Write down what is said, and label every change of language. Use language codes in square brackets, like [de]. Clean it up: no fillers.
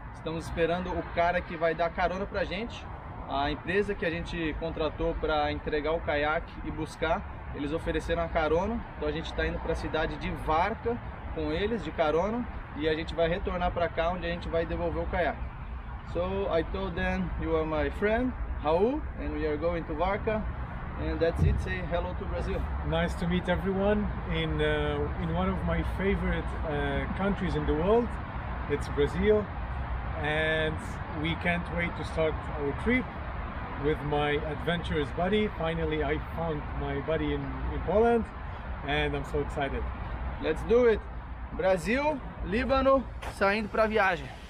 [pt] Estamos esperando o cara que vai dar carona pra gente. A empresa que a gente contratou para entregar o caiaque e buscar, eles ofereceram a carona. Então a gente está indo para a cidade de Varca com eles, de carona. E a gente vai retornar para cá, onde a gente vai devolver o caiaque. [en] So I told them you are my friend, Raul, and we are going to Varca, and that's it. Say hello to Brazil. Nice to meet everyone in one of my favorite countries in the world. It's Brazil, and we can't wait to start our trip with my adventurous buddy. Finally, I found my buddy in Poland, and I'm so excited. Let's do it. [pt] Brazil, Líbano, saindo para viagem.